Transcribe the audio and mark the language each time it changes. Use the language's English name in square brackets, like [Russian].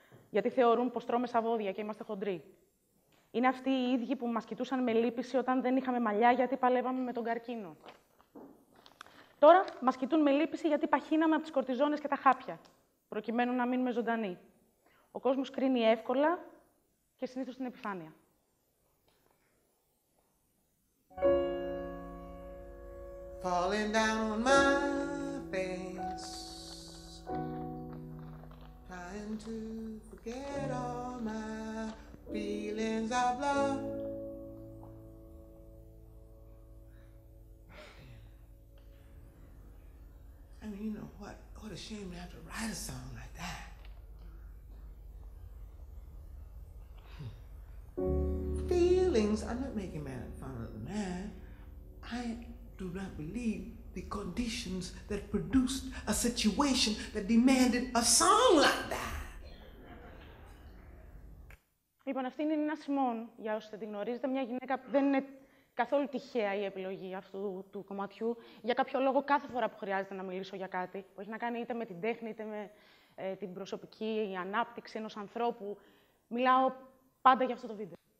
[Greek] Γιατί θεωρούν πως τρώμε σαβόδια και είμαστε χοντροί. Είναι αυτοί οι ίδιοι που μας κοιτούσαν με λύπηση όταν δεν είχαμε μαλλιά γιατί παλεύαμε με τον καρκίνο. Τώρα μας κοιτούν με λύπηση γιατί παχύναμε από τις κορτιζόνες και τα χάπια, προκειμένου να μείνουμε ζωντανοί. Ο κόσμος κρίνει εύκολα και συνήθως την επιφάνεια. [English] Falling down on my face, trying to forget all my feelings of love. I mean, you know what? What a shame to have to write a song like that. Feelings, I'm not making man fun of the man. I do not believe the conditions that produced a situation that demanded a song like that. [Greek] Λοιπόν, αυτή είναι η Νίνα Σιμών, για όσους δεν την γνωρίζετε. Μια γυναίκα που δεν είναι καθόλου τυχαία η επιλογή αυτού του κομματιού. Για κάποιο λόγο, κάθε φορά που χρειάζεται να μιλήσω για κάτι που έχει να κάνει είτε με την τέχνη είτε με την προσωπική ανάπτυξη ενός ανθρώπου, μιλάω πάντα για αυτό το βίντεο.